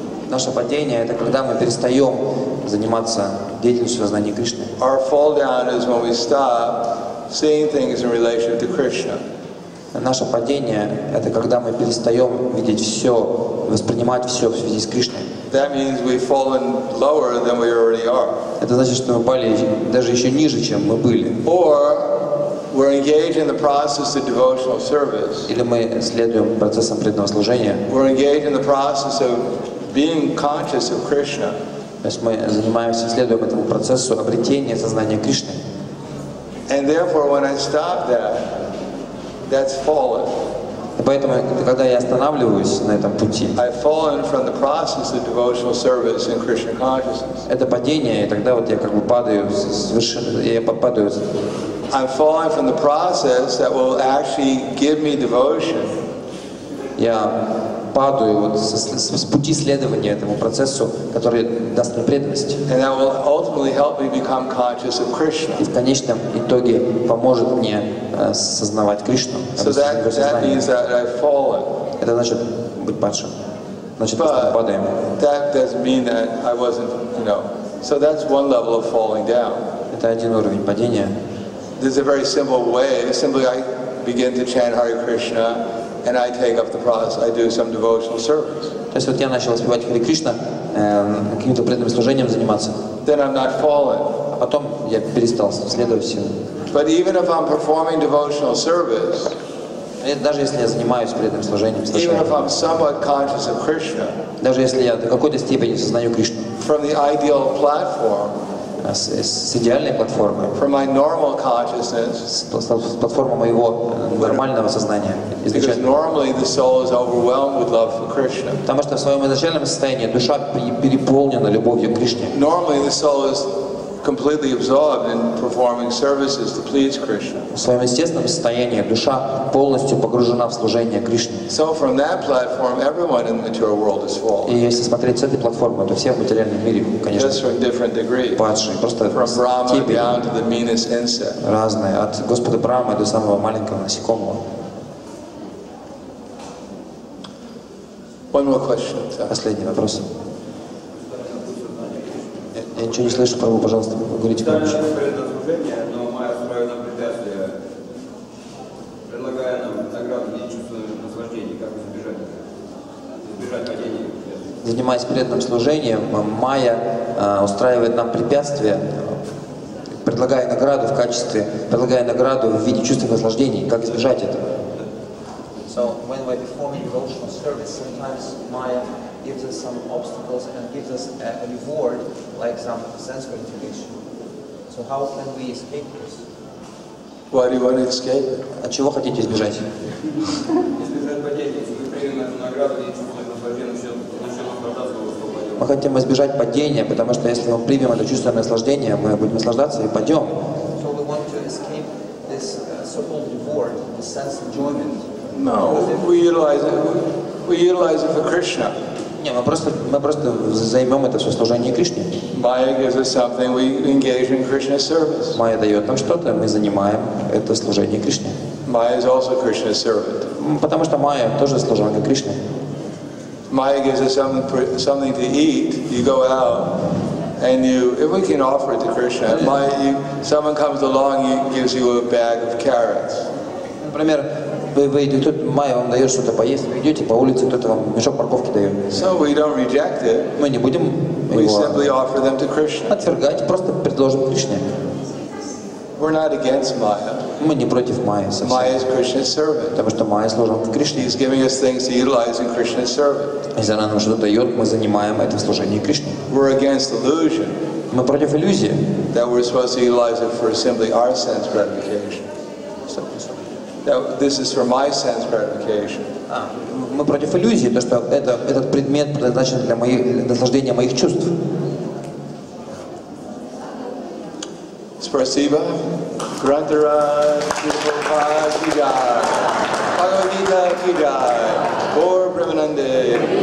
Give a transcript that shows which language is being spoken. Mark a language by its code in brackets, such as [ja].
[ru] Наше падение это когда мы перестаем заниматься деятельностью сознания Кришны. [en] Our fall down is when we stop seeing things in relation to Krishna. [ru] Наше падение это когда мы перестаем видеть все, воспринимать все в связи с Кришной. [en] That means we've fallen lower than we already are. [ru] Это значит, что мы пали даже еще ниже, чем мы были. [en] Or we're engaged in the process of devotional service. [ru] Или мы следуем процессам преданного служения. [en] We're engaged in the process of being conscious of Krishna. [ru] То есть мы занимаемся, следуем этому процессу обретения сознания Кришны. [en] And therefore, when I stop that, that's fallen. [ru] Поэтому, когда я останавливаюсь на этом пути, это падение, и тогда вот я как бы падаю с вершины, я попадаю. [en] I'm falling from the process that will actually give me devotion. [ru] Я падаю вот с пути следования этому процессу, который даст мне преданность. [en] And that will ultimately help me become conscious of Krishna. [ru] И в конечном итоге поможет мне осознавать Кришну. [en] So that means that I've fallen. [ru] Это значит быть падшим. Значит, [en] But [ru] падаем. [en] That doesn't mean that I wasn't, you know. So that's one level of falling down. [ru] Это один уровень падения. [en] There's a very simple way. Simply, I begin to chant Hare Krishna. And I take up the process. I do some devotional service. [ru] То есть вот я начал воспевать Хари Кришна, каким-то преданным служением заниматься. [en] Then I'm not fallen. [ru] А потом я перестал следовать всему. [en] But even if I'm performing devotional service, [ru] даже если я занимаюсь преданным служением, [en] even if I'm somewhat conscious of Krishna, [ru] даже если я до какой-то степени сознаю Кришну, [en] from the ideal platform. [ru] С идеальной платформой. [en] From my normal consciousness. [ru] С платформой моего нормального сознания. [en] Because normally the soul is overwhelmed with love for Krishna. [ru] Потому что в своем изначальном состоянии душа переполнена любовью к Кришне. [en] Normally the soul is completely absorbed in performing services to please Krishna. [ru] В своем естественном состоянии душа полностью погружена в служение Кришне. [en] So from that platform, everyone in the material world is fallen. [ru] И если смотреть с этой платформы, то все в материальном мире, конечно, [en] just from different degrees. [ru] Просто [en] from Brahma down to the meanest insect. [ru] Разные, от Господа Брахмы до самого маленького насекомого. [en] One more question. [ru] Последний вопрос. Я ничего не слышу, Прабу, пожалуйста, говорите громче. Предложение, но мы отправили нам препятствие, предлагая нам награду не чувствовать наслаждение, как избежать падения. Занимаясь преданным служением, Майя устраивает нам препятствие, предлагая награду в виде чувства наслаждений, как избежать этого. [en] So when we're performing devotional service, sometimes Майя gives us some obstacles and gives us a reward, like some sense gratification. So how can we escape this? Why do you want to escape? [ru] От чего хотите избежать? Избежать падения. Если вы приняли эту награду, и чувствуете наслаждение, начнем охотаться, вы упадете. Мы хотим избежать падения, потому что если мы примем это чувство наслаждения, мы будем наслаждаться и падем. [en] So we want to escape this so-called reward, the sense enjoyment. No, we utilize it for Krishna. [ru] Не, мы просто займем это все служение Кришне. [en] Майя gives us something, we engage in Krishna's service. [ru] Майя дает нам что-то, мы занимаем это служение Кришне. [en] Майя is also Krishna's servant. [ru] Потому что Майя тоже служанка Кришны. [en] Майя gives us something to eat, you go out, and you, if we can offer it to Krishna, Майя, you, someone comes along, he gives you a bag of carrots. [ru] Например, вы идете, тут Майя вам дает что-то поесть, вы идете по улице, кто-то вам мешок морковки дает. [en] So we don't reject it. [ru] Мы не будем его отвергать, просто предложим Кришне. [en] We're not against Майя. [ru] Мы не против майя совсем. [en] Майя is Krishna's servant. [ru] Потому что майя служит Кришне. [en] He's giving us things to utilize in Krishna's service. [ru] Если она нам что-то дает, мы занимаем это в служении Кришне. [en] We're against illusion. [ru] Мы против иллюзии. [en] That we're supposed to utilize it for simply our sense gratification. Now, this is for my sense gratification. [ru] Мы против иллюзии, то что этот предмет предназначен для наслаждения моих чувств. Спасибо. Грантера, Кирпа, Кидар, Пагавита, Кидар, Бор, Бриманде.